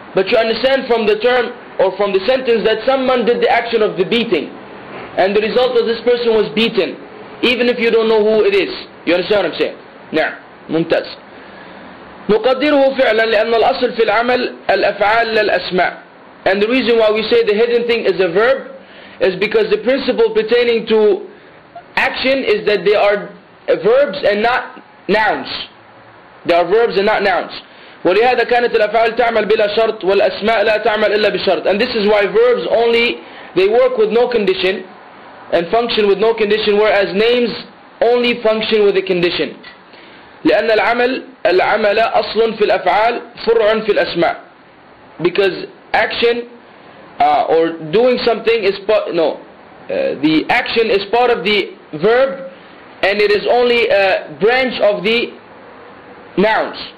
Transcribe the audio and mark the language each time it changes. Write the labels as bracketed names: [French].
[English] But you understand from the term or from the sentence that someone did the action of the beating. And the result of this person was beaten. Even if you don't know who it is. You understand what I'm saying? [Arabic] نعم. ممتاز. نقدره فعلا لأن الأصل في العمل الأفعال للأسماء. [English] And the reason why we say the hidden thing is a verb is because the principle pertaining to action is that they are verbs and not nouns. They are verbs and not nouns. [Arabic] ولهذا كانت الأفعال تعمل بلا شرط والأسماء لا تعمل إلا بشرط. [English] And this is why verbs only, they work with no condition and function with no condition, whereas names only function with a condition. [Arabic] لأن العمل العمل أصل في الأفعال فرع في الأسماء. [English] Because action or doing something is part, the action is part of the verb and it is only a branch of the nouns.